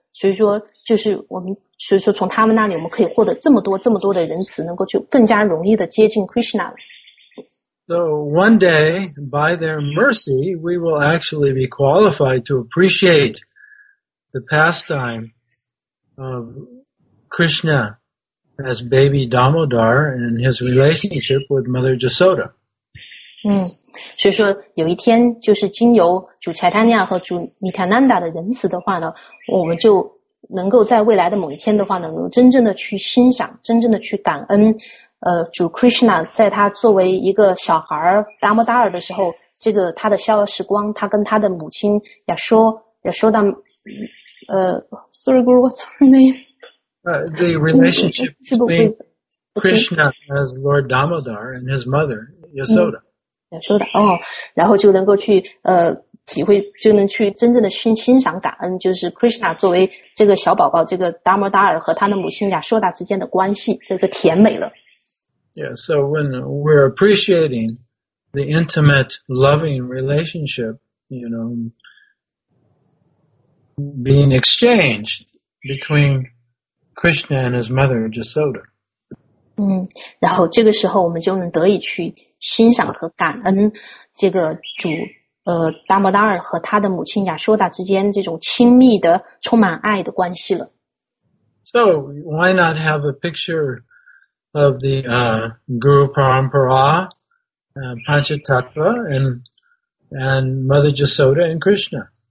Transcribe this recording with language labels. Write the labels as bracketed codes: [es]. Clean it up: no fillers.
[zh] 所以说就是我们所以说从他们那里我们可以获得这么多这么多的仁慈，能够就更加容易的接近 Krishna 了。 [en] So one day by their mercy we will actually be qualified to appreciate the pastime of Krishna as baby Damodar and his relationship with Mother Jasoda. [zh] 所以说有一天就是经由主 Chaitanya 和主 Nityananda 的仁慈的话呢，我们就能够在未来的某一天的话呢，能够真正的去欣赏，真正的去感恩，主 Krishna 在他作为一个小孩达摩达尔的时候，这个他的逍遥时光，他跟他的母亲亚说达， [en] sorry guru, what's her name? The relationship between Krishna as Lord Damodar and his mother Yasoda. [zh] 亚说达哦，然后就能够去体会就能去真正的去欣赏感恩，就是 Krishna 作为这个小宝宝，这个达摩达尔和他的母亲亚硕达之间的关系，这个甜美了。 [en] Yeah, so when we're appreciating the intimate, loving relationship, you know, being exchanged between Krishna and his mother, Jasoda. [zh] 然后这个时候我们就能得以去欣赏和感恩这个主。达摩达尔和他的母亲亚硕达之间这种亲密的充满爱的关系了。 [en] So, why not have a picture of the, Guru Parampara, Panchatattva, and Mother Jasoda and Krishna?